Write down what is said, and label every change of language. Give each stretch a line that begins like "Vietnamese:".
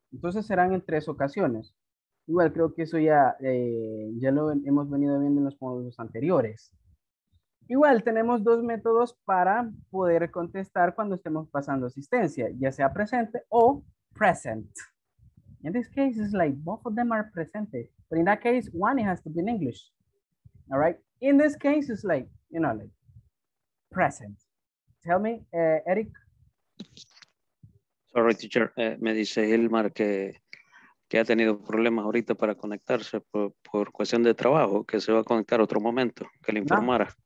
Spanish: Entonces serán en tres ocasiones. Igual creo que eso ya, ya lo hemos venido viendo en los módulos anteriores. Igual tenemos dos métodos para poder contestar cuando estemos pasando asistencia, ya sea presente o present.
English: In this case, it's like both of them are presente. But in that case, one has to be in English. All right? In this case, it's like, you know, like present. Tell me, Eric. Sorry, teacher.
Spanish: Me dice Hilmar que ha tenido problemas ahorita para conectarse por cuestión de trabajo, que se va a conectar otro momento, que le informara.